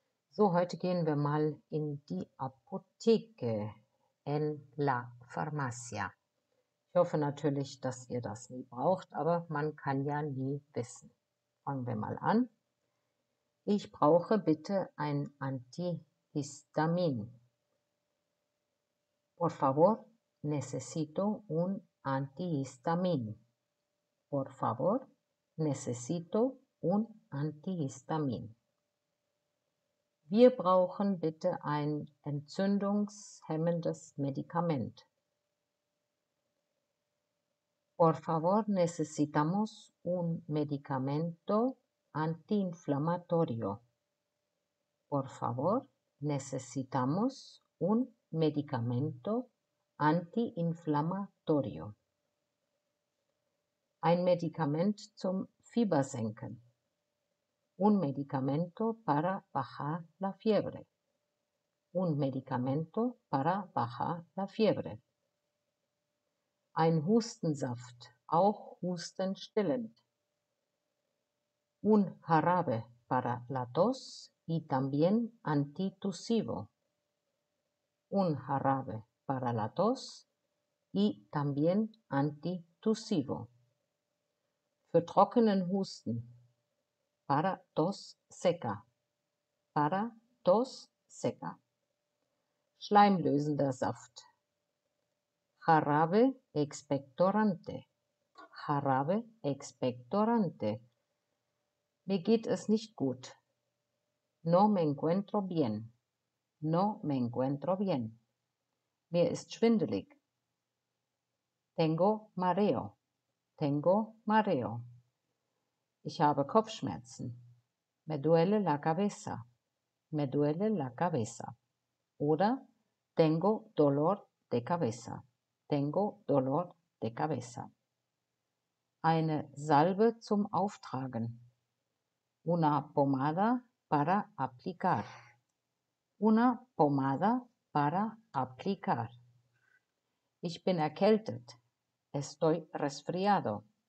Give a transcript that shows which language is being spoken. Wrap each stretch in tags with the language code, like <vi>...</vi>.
<de>So, heute gehen wir mal in die Apotheke,</de> <es>en la farmacia.</es> <de>Ich hoffe natürlich, dass ihr das nie braucht, aber man kann ja nie wissen. Fangen wir mal an. Ich brauche bitte ein Antihistamin.</de> <es>Por favor, necesito un antihistamín. Por favor, necesito un antihistamin.</es> <de>Wir brauchen bitte ein entzündungshemmendes Medikament.</de> <es>Por favor, necesitamos un medicamento antiinflamatorio. Por favor, necesitamos un medicamento antiinflamatorio.</es> <de>Ein Medikament zum Fiebersenken.</de> <es>Un medicamento para bajar la fiebre. Un medicamento para bajar la fiebre.</es> <de>Ein Hustensaft, auch hustenstillend.</de> <es>Un jarabe para la tos y también antitusivo. Un jarabe para la tos y también antitusivo.</es> <de>Für trockenen Husten.</de> <es>Para tos seca. Para tos seca.</es> <de>Schleimlösender Saft.</de> <es>Jarabe expectorante. Jarabe expectorante.</es> <de>Mir geht es nicht gut.</de> <es>No me encuentro bien. No me encuentro bien.</es> <de>Mir ist schwindelig.</de> <es>Tengo mareo. Tengo mareo.</es> <de>Ich habe Kopfschmerzen.</de> <es>Me duele la cabeza. Me duele la cabeza. Oder tengo dolor de cabeza. Tengo dolor de cabeza.</es> <de>Eine Salbe zum Auftragen.</de> <es>Una pomada para aplicar. Una pomada para aplicar.</es> <de>Ich bin erkältet.</de> <es>Estoy resfriado.</es>